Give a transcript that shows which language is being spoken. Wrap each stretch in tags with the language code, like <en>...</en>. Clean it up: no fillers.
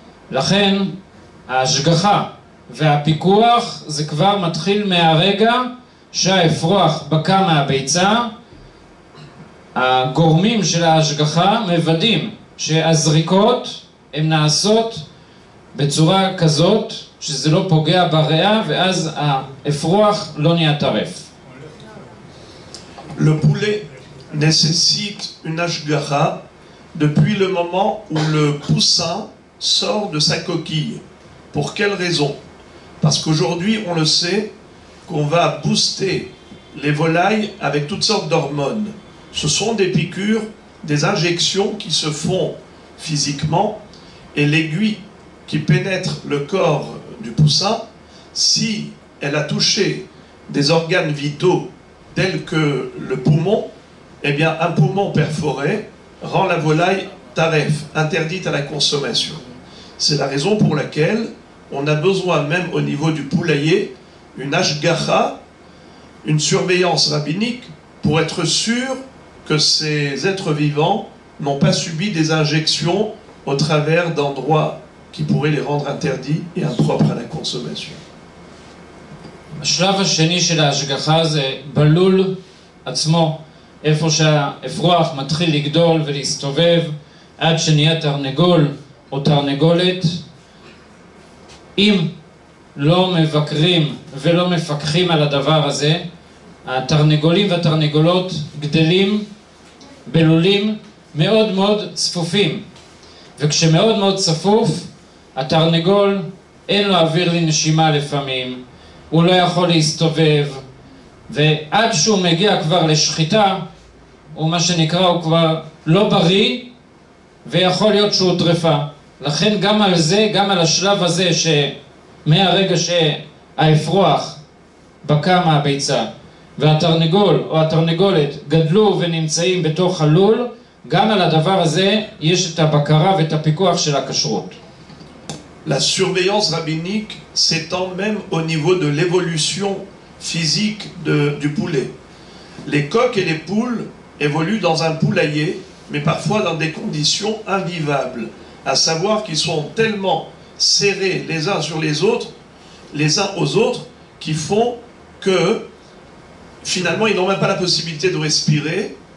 <he>לכן ההשגחה והפיקוח זה כבר מתחיל מהרגע שהאפרוח בקע מהביצה. הגורמים של ההשגחה מוודאים שהזריקות הן נעשות בצורה כזאת שזה לא פוגע בריאה ואז האפרוח לא נהיה טרף.</he> <fr>Le poulet nécessite une hashgacha depuis le moment où le poussin sort de sa coquille. Pour quelle raison? Parce qu'aujourd'hui on le sait qu'on va booster les volailles avec toutes sortes d'hormones. Ce sont des piqûres, des injections qui se font physiquement, et l'aiguille qui pénètre le corps du poussin, si elle a touché des organes vitaux tels que le poumon, eh bien un poumon perforé rend la volaille taref, interdite à la consommation. C'est la raison pour laquelle on a besoin, même au niveau du poulailler, une hashgacha, une surveillance rabbinique, pour être sûr que ces êtres vivants n'ont pas subi des injections au travers d'endroits qui pourraient les rendre interdits et impropres à la consommation.</fr> <he>השלב השני של ההשגחה זה בלול עצמו, איפה שהאפרוח מתחיל לגדול ולהסתובב עד שנהיה תרנגול או תרנגולת. אם לא מבקרים ולא מפקחים על הדבר הזה, התרנגולים והתרנגולות גדלים בלולים מאוד מאוד צפופים, וכשמאוד מאוד צפוף התרנגול אין לו אוויר לנשימה, לפעמים הוא לא יכול להסתובב, ועד שהוא מגיע כבר לשחיטה הוא מה שנקרא הוא כבר לא בריא ויכול להיות שהוא טרפה. לכן גם על זה, גם על השלב הזה שמהרגע שהאפרוח בקע מהביצה והתרנגול או התרנגולת גדלו ונמצאים בתוך הלול, גם על הדבר הזה יש את הבקרה ואת הפיקוח של הכשרות.</he> <fr>La surveillance rabbinique s'étend même au niveau de l'évolution physique du poulet. Les coqs et les poules évoluent dans un poulailler, mais parfois dans des conditions invivables, à savoir qu'ils sont tellement serrés les uns sur les autres, les uns aux autres, qui font que finalement, ils n'ont même pas la possibilité de respirer,</fr>